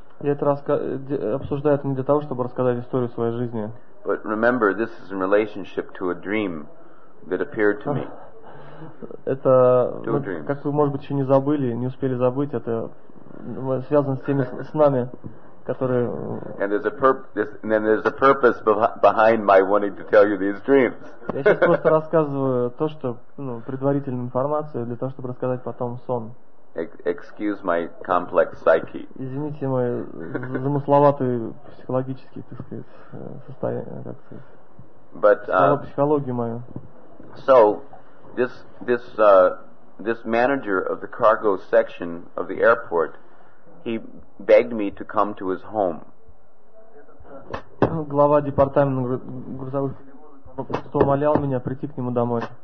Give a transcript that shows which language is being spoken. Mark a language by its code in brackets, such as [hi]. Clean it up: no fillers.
[ru] Я это обсуждаю не для того, чтобы рассказать историю своей жизни. [en] But remember, this is in relationship to a dream that appeared to me. [ru] Это, как вы, может быть, еще не забыли, не успели забыть, это связано с теми снами, которые... [en] And there's a purpose behind my wanting to tell you these dreams. [ru] Я сейчас просто рассказываю то, что, ну, предварительную информацию, для того, чтобы рассказать потом сон. [en] Excuse my complex psyche. [ru] Извините мой замысловатый психологический, так сказать, состояние, как сказать, психологию мою. [en] So... This manager of the cargo section of the airport, he begged me to come to his home. [ru] Глава департамента грузовых умолял меня прийти к нему домой.